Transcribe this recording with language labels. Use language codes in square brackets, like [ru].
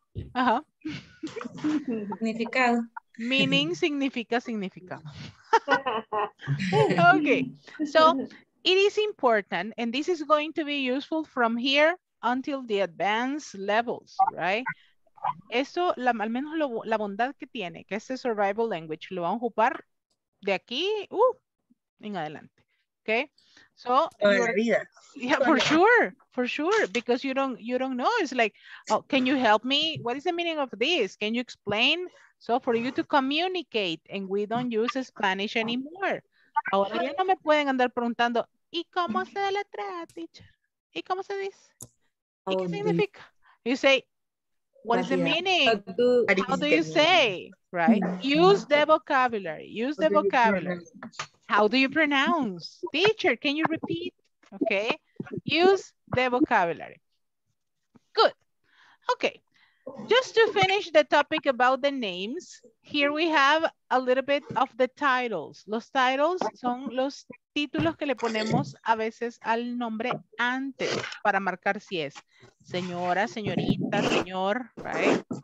[en] Meaning? Ajá. [es] Significado. Meaning significa significado. [en] Okay. So it is important, and this is going to be useful from here until the advanced levels, right? [es] Eso, al menos la bondad que tiene, que este survival language lo vamos a ocupar de aquí en adelante. [en] Okay. So yeah, for sure. Because you don't know. It's like, oh, can you help me? What is the meaning of this? Can you explain? So for you to communicate, and we don't use Spanish anymore. [es] Ahora ya no me pueden andar preguntando, ¿y cómo se deletrea, teacher? ¿Y cómo se dice? ¿Y qué significa? [en] You say, what is the meaning? How do you say? Right? Use the vocabulary. Use the vocabulary. How do you pronounce? Teacher, can you repeat? Okay. Use the vocabulary. Good. Okay. Just to finish the topic about the names, here we have a little bit of the titles. [es] Los titles son los títulos que le ponemos a veces al nombre antes para marcar si es señora, señorita, señor, right?